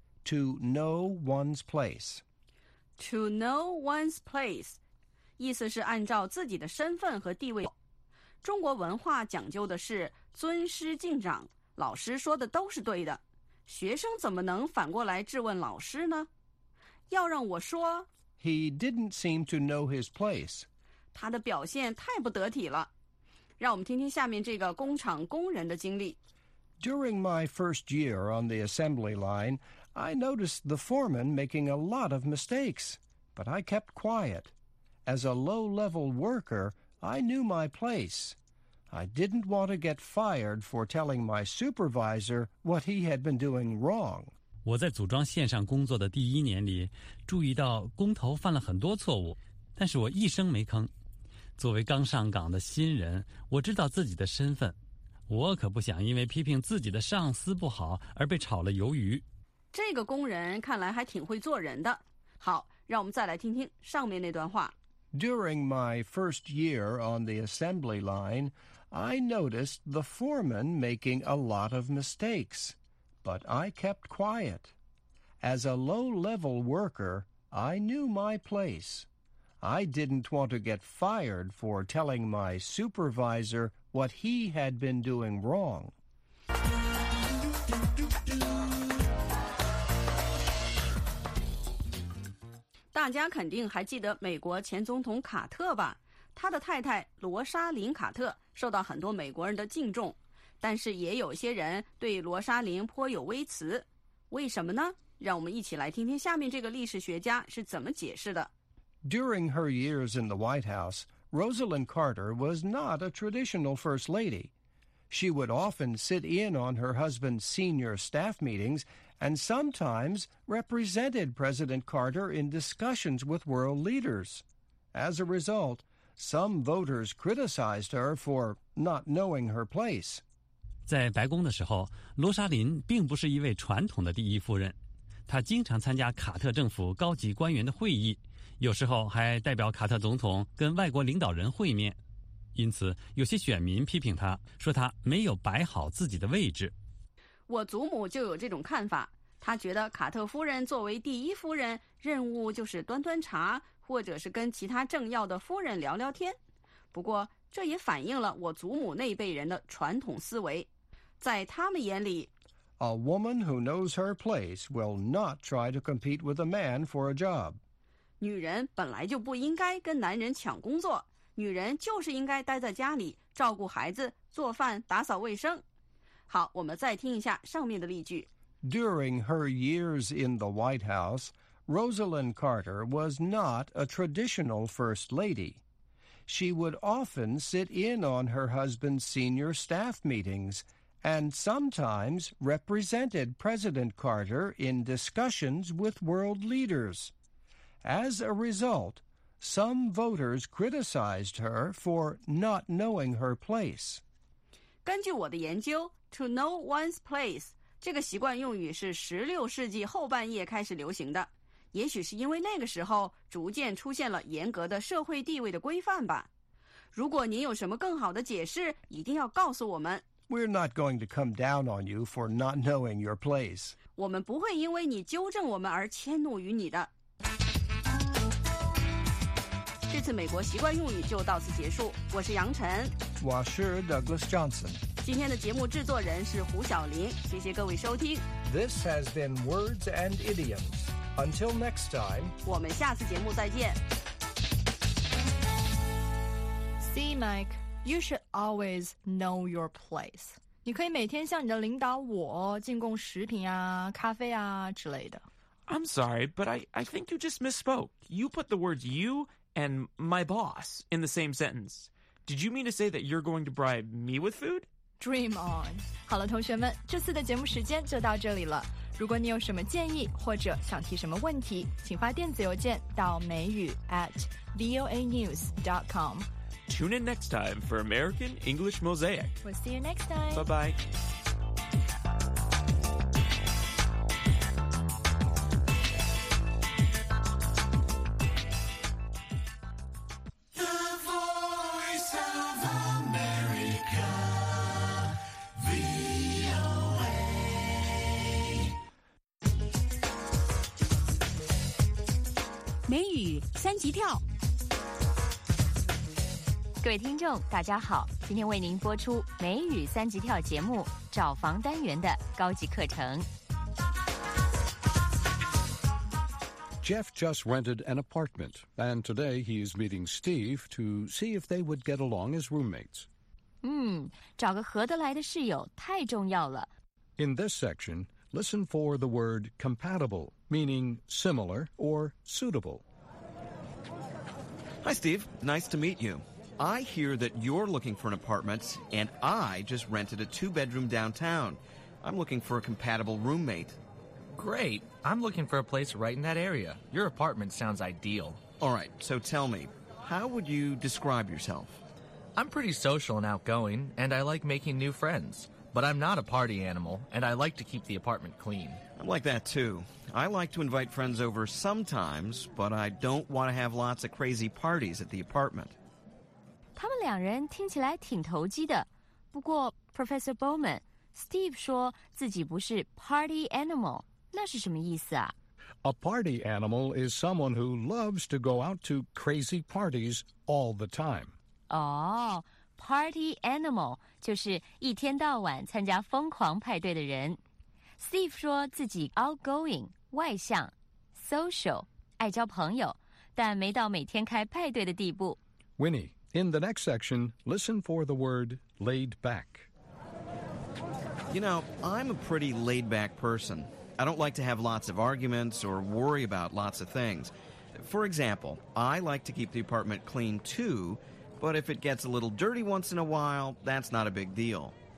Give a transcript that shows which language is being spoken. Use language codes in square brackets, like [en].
[en] To know one's place. To know one's place. [zh] 意思是按照自己的身份和地位。中国文化讲究的是尊师敬长，老师说的都是对的，学生怎么能反过来质问老师呢？要让我说， [en] He didn't seem to know his place. [zh] 他的表现太不得体了。让我们听听下面这个工厂工人的经历。 [en] During my first year on the assembly line, I noticed the foreman making a lot of mistakes, but I kept quiet. As a low-level worker, I knew my place. I didn't want to get fired for telling my supervisor what he had been doing wrong. [zh] 我在组装线上工作的第一年里，注意到工头犯了很多错误，但是我一声没吭。作为刚上岗的新人，我知道自己的身份。我可不想因为批评自己的上司不好而被炒了鱿鱼。这个工人看来还挺会做人的。好，让我们再来听听上面那段话。 [en] During my first year on the assembly line, I noticed the foreman making a lot of mistakes, but I kept quiet. As a low-level worker, I knew my place. I didn't want to get fired for telling my supervisor what he had been doing wrong. [zh] 大家肯定还记得美国前总统卡特吧？他的太太罗莎琳·卡特受到很多美国人的敬重，但是也有些人对罗莎琳颇有微词。为什么呢？让我们一起来听听下面这个历史学家是怎么解释的。 [en] During her years in the White House, Rosalind Carter was not a traditional first lady. She would often sit in on her husband's senior staff meetings and sometimes represented President Carter in discussions with world leaders. As a result, some voters criticized her for not knowing her place. [zh] 在白宫的时候，罗莎琳并不是一位传统的第一夫人，她经常参加卡特政府高级官员的会议，有时候还代表卡特总统跟外国领导人会面，因此有些选民批评他，说他没有摆好自己的位置。我祖母就有这种看法，她觉得卡特夫人作为第一夫人，任务就是端端茶，或者是跟其他政要的夫人聊聊天。不过这也反映了我祖母那一辈人的传统思维，在他们眼里， [en] A woman who knows her place will not try to compete with a man for a job. [zh] 女人本来就不应该跟男人抢工作，女人就是应该待在家里照顾孩子、做饭、打扫卫生。好，我们再听一下上面的例句。 [en] During her years in the White House, Rosalind Carter was not a traditional first lady. She would often sit in on her husband's senior staff meetings and sometimes represented President Carter in discussions with world leaders. As a result, some voters criticized her for not knowing her place. [zh] 根据我的研究 , [en] to know one's place, [zh] 这个习惯用语是16世纪后半叶开始流行的。也许是因为那个时候逐渐出现了严格的社会地位的规范吧。如果您有什么更好的解释，一定要告诉我们。 [en] We're not going to come down on you for not knowing your place. [zh] 我们不会因为你纠正我们而迁怒于你的。这次美国习惯用语就到此结束，我是杨晨，我是 Douglas Johnson。今天的节目制作人是胡晓林，谢谢各位收听。 [en] This has been Words and Idioms. Until next time, [zh] 我们下次节目再见。 [en] See Mike, you should always know your place. [zh] 你可以每天向你的领导我进贡食品啊、咖啡啊之类的。 [en] I'm sorry, but I think you just misspoke. You put the words youand my boss in the same sentence. Did you mean to say that you're going to bribe me with food? Dream on. [zh] 好了，同学们，这次的节目时间就到这里了。如果你有什么建议或者想提什么问题，请发电子邮件到美语@voanews.com. [en] Tune in next time for American English Mosaic. We'll see you next time. Bye-bye. [zh] 《三级跳》 各位听众大家好，今天为您播出美语三级跳节目找房单元的高级课程。 [en] Jeff just rented an apartment, and today he is meeting Steve to see if they would get along as roommates. [zh] 找个合得来的室友太重要了。 [en] In this section, listen for the word compatible, meaning similar or suitable. Hi, Steve. Nice to meet you. I hear that you're looking for an apartment, and I just rented a two-bedroom downtown. I'm looking for a compatible roommate. Great. I'm looking for a place right in that area. Your apartment sounds ideal. All right, so tell me, how would you describe yourself? I'm pretty social and outgoing, and I like making new friends. But I'm not a party animal, and I like to keep the apartment clean. I'm like that, too. I like to invite friends over sometimes, but I don't want to have lots of crazy parties at the apartment. [zh] 他们两人听起来挺投机的。不过 Professor Bowman, Steve 说自己不是 party animal. 那是什么意思啊? [en] A party animal is someone who loves to go out to crazy parties all the time. [zh] Oh, party animal 就是一天到晚参加疯狂派对的人。 Steve 说自己 outgoing, 外向, social, 爱交朋友,但没到每天开派对的地步。 [en] Winnie, in the next section, listen for the word laid back. You know, I'm a pretty laid back person. I don't like to have lots of arguments or worry about lots of things. For example, I like to keep the apartment clean too, but if it gets a little dirty once in a while, that's not a big deal.